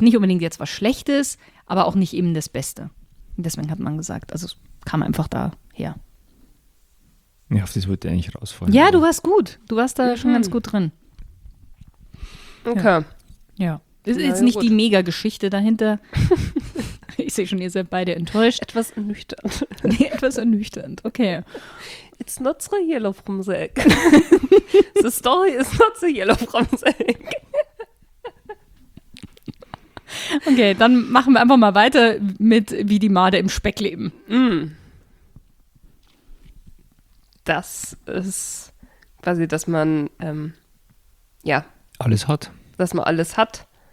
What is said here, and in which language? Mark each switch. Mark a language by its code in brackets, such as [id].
[de] Nicht unbedingt jetzt was Schlechtes, aber auch nicht eben das Beste. Deswegen hat man gesagt, also es kam einfach daher. Ja, auf das wollte ich eigentlich rausfallen. Ja, du warst gut. Du warst da schon ganz gut drin. Okay. Ja. Das ist jetzt nicht die Mega-Geschichte dahinter. Ich sehe schon, ihr seid beide enttäuscht. Etwas ernüchternd. Nee, etwas ernüchternd. Okay. [en] It's not so yellow from the egg. The story is not so yellow from the egg. [de] Okay, dann machen wir einfach mal weiter mit, wie die Made im Speck leben. Das ist quasi, dass man, alles hat. Dass man alles hat.